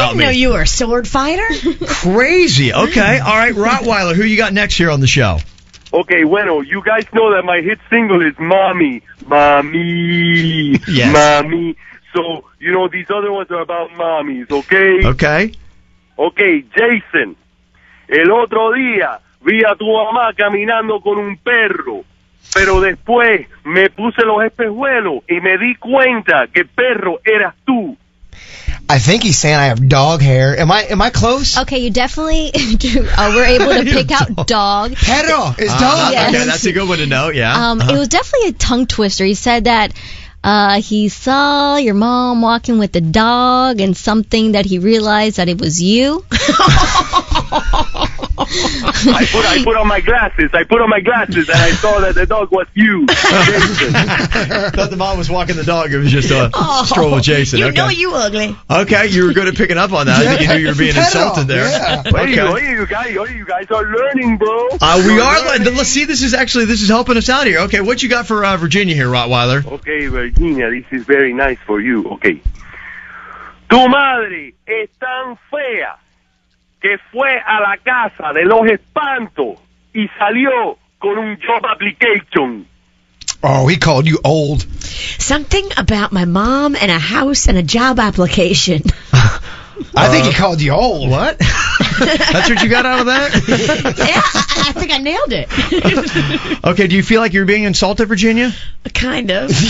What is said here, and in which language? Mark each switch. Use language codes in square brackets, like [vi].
[en] I didn't know you were a sword fighter. Crazy. Okay. All right, Rottweiler, who you got next here on the show? Okay, bueno, you guys know that my hit single is Mommy. Mommy. Yes. Mommy. So, you know, these other ones are about mommies, okay? Okay. Okay, Jason. [es] El otro día vi a tu mamá caminando con un perro. Pero después me puse los espejuelos y me di cuenta que perro eras tú. [en] I think he's saying I have dog hair. Am I close? Okay, you definitely were able to pick out dog. Perro is dog. Yes. Okay, that's a good one to know, yeah. It was definitely a tongue twister. He said that he saw your mom walking with the dog and something that he realized that it was you. I put on my glasses and I saw that the dog was you, Jason. Thought the mom was walking the dog. It was just a stroll with Jason. You okay. Know you ugly. Okay, you were good at picking up on that. I think you knew you were being insulted there. Yeah. Okay. You guys are learning, bro. We are learning. Let's see, this is helping us out here. Okay, what you got for Virginia here, Rottweiler? Okay, Virginia, this is very nice for you. Okay. [es] Tu madre es tan fea. Que fue a la casa de los espantos y salió con un [en] job application. Oh, he called you old. Something about my mom and a house and a job application. I think he called you old. What? That's what you got out of that? Yeah, I think I nailed it. Okay, do you feel like you're being insulted, Virginia? Kind of.